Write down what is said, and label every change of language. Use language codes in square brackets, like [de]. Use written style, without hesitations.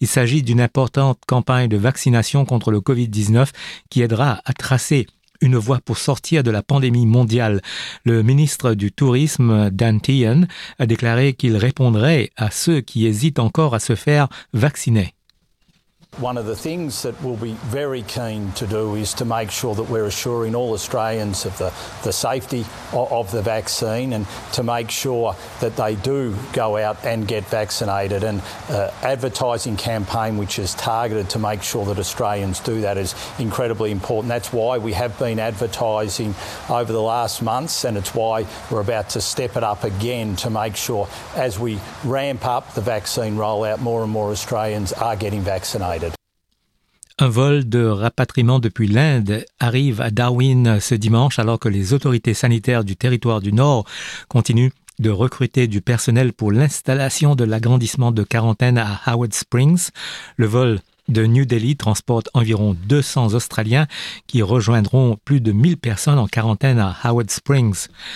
[fr] Il s'agit d'une importante campagne de vaccination contre le Covid-19 qui aidera à tracer une voie pour sortir de la pandémie mondiale. Le ministre du Tourisme, Dan Tehan, a déclaré qu'il répondrait à ceux qui hésitent encore à se faire vacciner. [en] One of the things that we'll be very keen to do is to make sure that we're assuring all Australians of the safety of the vaccine and to make sure that they do go out and get vaccinated. And advertising campaign which is targeted to make sure that Australians do that is incredibly important. That's why we have been advertising over the last months, and it's why we're about to step it up again to make sure as we ramp up the vaccine rollout, more and more Australians are getting vaccinated. [fr] Un vol de rapatriement depuis l'Inde arrive à Darwin ce dimanche alors que les autorités sanitaires du territoire du Nord continuent de recruter du personnel pour l'installation de l'agrandissement de quarantaine à Howard Springs. Le vol de New Delhi transporte environ 200 Australiens qui rejoindront plus de 1000 personnes en quarantaine à Howard Springs.